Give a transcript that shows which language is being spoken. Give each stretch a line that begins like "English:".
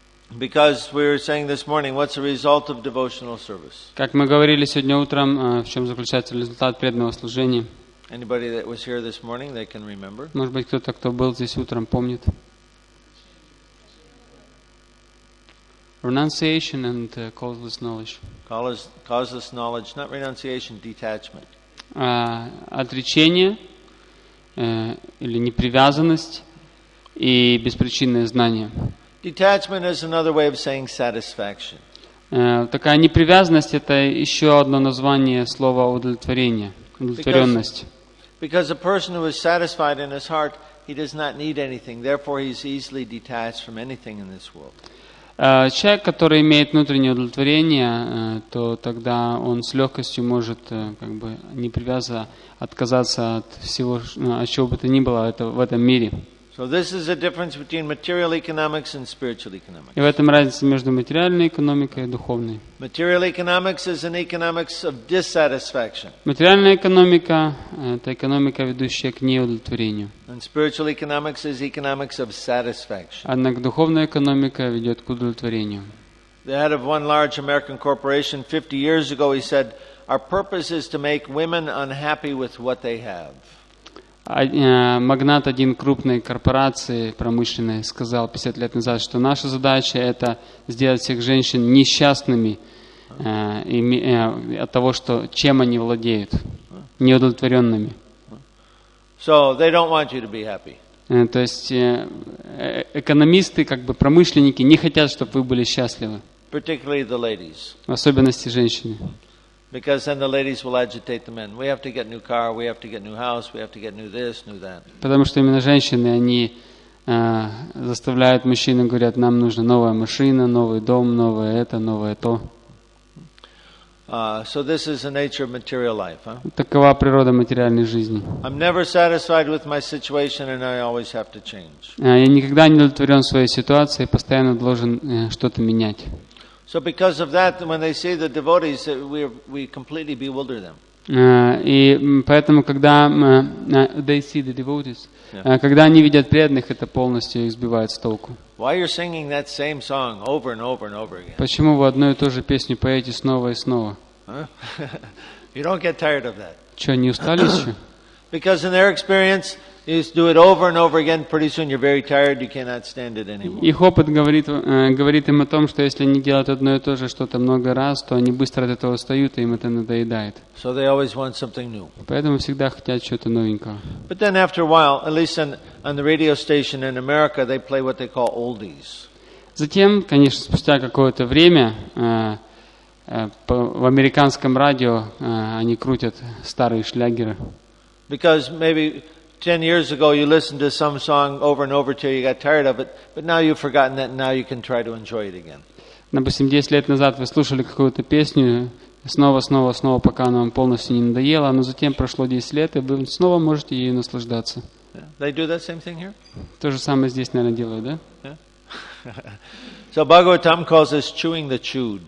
English: Because we were saying this morning, what's the result of devotional service?
Russian: Как мы говорили сегодня утром, в чем заключается результат преданного служения?
English: Anybody that was here this morning, they can remember.
Russian: Может быть, кто-то, кто был здесь утром, помнит.
English: Renunciation and causeless knowledge. Causeless knowledge, not renunciation, detachment.
Russian: Отречение или непривязанность и беспричинное знание.
English: Detachment is another way of saying satisfaction.
Russian: Такая непривязанность – это еще одно название слова удовлетворение, удовлетворенность.
English: Because a person who is satisfied in his heart, he does not need anything. Therefore, he is easily detached from anything in this world.
Russian: Человек, который имеет внутреннее удовлетворение, то тогда он с легкостью может, как бы, не привязываясь, отказаться от всего, от чего бы то ни было в этом мире.
English: So this is the difference between material economics and spiritual economics.
Russian: И в этом разница между материальной экономикой и духовной.
English: Material economics is an economics of dissatisfaction.
Russian: Материальная экономика – это экономика, ведущая к неудовлетворению.
English: And spiritual economics is economics of satisfaction.
Russian: Однако духовная экономика ведет к удовлетворению.
English: The head of one large American corporation 50 years ago, he said, "Our purpose is to make women unhappy with what they have."
Russian: Магнат один крупной корпорации промышленной сказал 50 лет назад, что наша задача – это сделать всех женщин несчастными от того, что, чем они владеют, неудовлетворенными.
English: So they don't want you to be happy.
Russian: То есть экономисты, как бы промышленники, не хотят, чтобы вы были счастливы.
English: Particularly the ladies.
Russian: В особенности женщины.
English: Because then the ladies will agitate the men. We have to get new car, we have to get new house, we have to get new this, new that.
Russian: Потому что именно женщины, они заставляют мужчин и говорят, нам нужна новая машина, новый дом, новое это, новое то.
English: So this is the nature of material life, huh?
Russian: Такова природа материальной жизни.
English: I'm never satisfied with my situation and I always have to change.
Russian: Я никогда не удовлетворен своей ситуацией, постоянно должен что-то менять.
English: So because of that, when they see the devotees, we completely bewilder them.
Russian: И поэтому, когда
English: they see the devotees,
Russian: когда они видят преданных, это полностью их сбивает с толку.
English: Why are you singing that same song over and over and over again?
Russian: Почему вы одну и ту же песню поете снова и снова?
English: You don't get tired of that.
Russian: Чё, не устали ещё?
English: Because in their experience, you do it over and over again. Pretty soon, you're very tired. You cannot stand it anymore.
Russian: Их опыт говорит им о том, что если они делают одно и то же что-то много раз, то они быстро от этого устают и им это надоедает.
English: So they always want something new.
Russian: Поэтому всегда хотят чего-то новенького.
English: But then, after a while, at least on the radio station in America, they play what they call oldies.
Russian: Затем, конечно, спустя какое-то время в американском радио они крутят старые шлягеры.
English: Because maybe 10 years ago you listened to some song over and over till you got tired of it, but now you've forgotten that and now you can try to enjoy it again.
Russian: Допустим, 10 лет назад вы слушали какую-то песню снова, снова, снова, пока она вам полностью не надоела, но затем прошло 10 лет, и вы снова можете ею наслаждаться.
English: They do that same thing here?
Russian: То же самое здесь, наверное, делают, да?
English: Yeah. So Bhagavatam calls this chewing the chewed.